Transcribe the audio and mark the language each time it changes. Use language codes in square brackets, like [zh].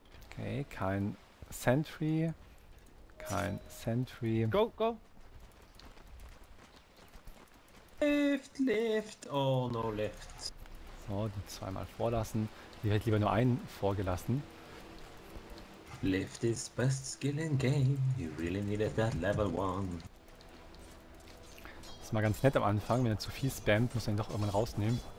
[de] Okay, kein Sentry. Kein Sentry. [en] Go, go. Left, left. Oh, no left. [de] So, die zweimal vorlassen. Die hätte lieber nur einen vorgelassen. [en] Left is best skill in game. You really needed that level 1. [de] Ist mal ganz nett am Anfang, wenn er zu viel spammt, muss er ihn doch irgendwann rausnehmen.